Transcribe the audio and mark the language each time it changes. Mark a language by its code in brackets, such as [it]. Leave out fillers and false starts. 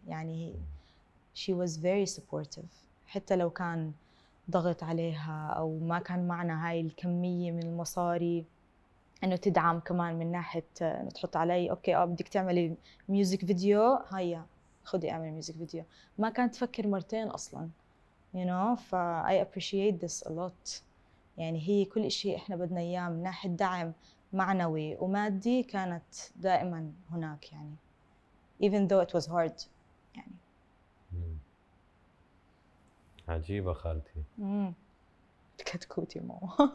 [ar] يعني [en] she was very supportive [ar] حتى لو كان ضغط عليها أو ما كان معنا هاي الكمية من المصاري، إنه تدعم كمان من ناحية إنه تحط علي أوكي بدك تعملي ميوزك فيديو، هيا خدي أعمل ميوزك فيديو، ما كانت تفكر مرتين أصلاً. [en] You know ف I appreciate this a lot. [ar] يعني هي كل إشي إحنا بدنا إياه من ناحية دعم معنوي ومادي كانت دائما هناك. [en] يعني even though it was hard يعني. [ar] عجيبة خالتي. كتكوتي مو.